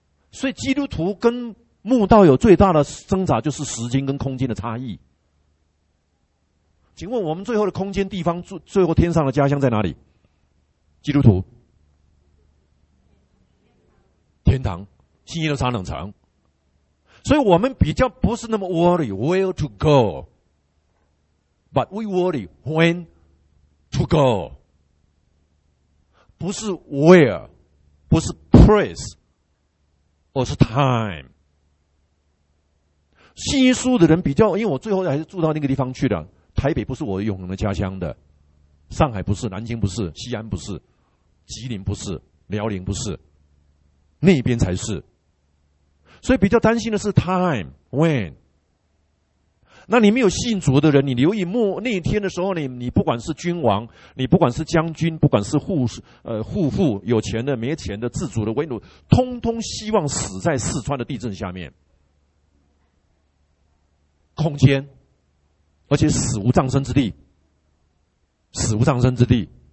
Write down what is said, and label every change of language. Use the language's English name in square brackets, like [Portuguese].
[Chinese] 所以基督徒跟慕道友最大的挣扎就是时间跟空间的差异。请问我们最后的空间地方，最后天上的家乡在哪里？基督徒天堂，新耶路撒冷城。所以我们比较不是那么 [English] worry where to go, but we worry when to go, 不是 where, 不是 place, 而是 time。 [Chinese] 信耶稣的人比较，因为我最后还是住到那个地方去了，台北不是我永恒的家乡的，上海不是，南京不是，西安不是，吉林不是，辽宁不是，那边才是。所以比较担心的是 time when。那你没有信主的人，你留意那一天的时候， 你不管是君王，你不管是将军，不管是护妇，有钱的没钱的，自主的为奴，通通希望死在四川的地震下面，空间，而且死无葬身之地，死无葬身之地。